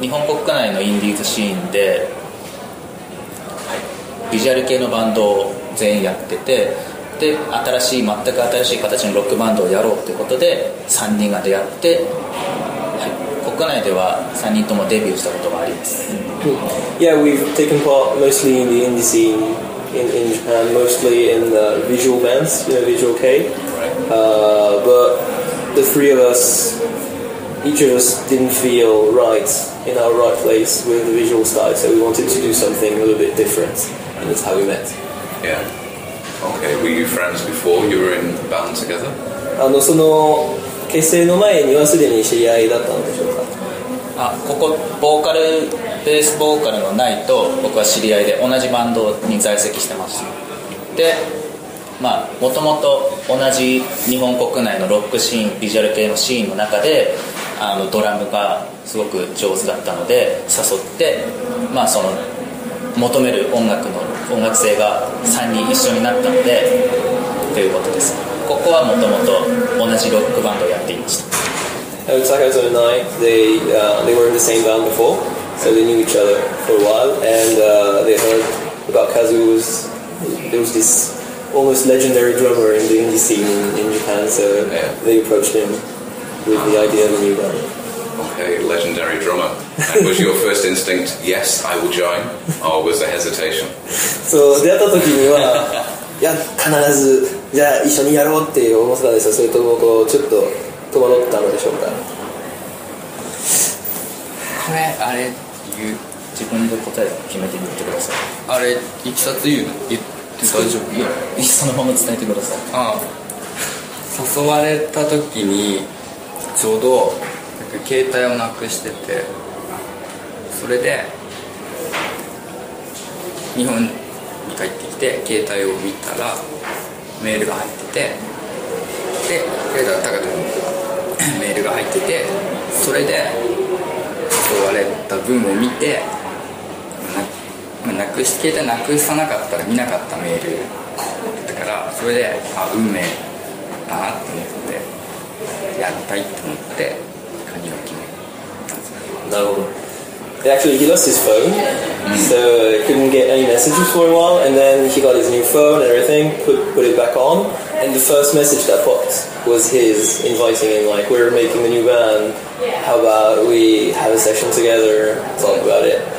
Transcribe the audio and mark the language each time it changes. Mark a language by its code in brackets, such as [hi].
[ja] 日本国内のインディーズシーンで、はい、ビジュアル系のバンドを全員やってて、で新しい全く新しい形のロックバンドをやろうということで3人が出会って、はい、国内では3人ともデビューしたことがあります、 mm. [en] Yeah, we've taken part mostly in the indie scene in Japan, mostly in the visual bands, you know, Visual K、right. But the three of us, each of us didn't feel right in our right place with the visual style, so we wanted to do something a little bit different, and that's how we met. YeahOkay, were you friends before you were in band together? [ja] その結成の前にはすでに知り合いだったんでしょうか。あ、ここボーカル、ベースボーカルのナイと僕は知り合いで同じバンドに在籍してました。で、まあ、もともと同じ日本国内のロックシーン、ビジュアル系のシーンの中でドラムがすごく上手だったので誘って、まあ、その求める音楽の音楽性が3人一緒になったのでということです。ここはもともと同じロックバンドをやっていました。 [en] Takeover and I, they were in the same band before, so they knew each other for a while, and they heard about Kazu. There was this almost legendary drummer in the indie scene in Japan, so they approached him with the idea of a new band. Okay, legendary drummer. And was your first instinct, yes, I will join, or was there hesitation? [ja] そう、出会った時には、いや、必ず、じゃあ一緒にやろうって思ってたんですよ。それともこう、ちょっと戸惑ったのでしょうか。これ、あれ、言う、自分で答え決めてみてください。あれ、いきさつ言うの、言って大丈夫。いや、そのまま伝えてください。ああ、誘われた時に、ちょうど携帯をなくしてて、それで日本に帰ってきて携帯を見たらメールが入ってて、で、携帯は高田君にメールが入ってて、それで誘われた文を見て、携帯なくさなかったら見なかったメールだったから、それで、あ、運命だなと思って、やりたいと思って、 [en] No. Actually, he lost his phone, so couldn't get any messages for a while, and then he got his new phone and everything, put it back on, and the first message that popped was his, inviting him, like, we're making a new band, how about we have a session together, talk about it.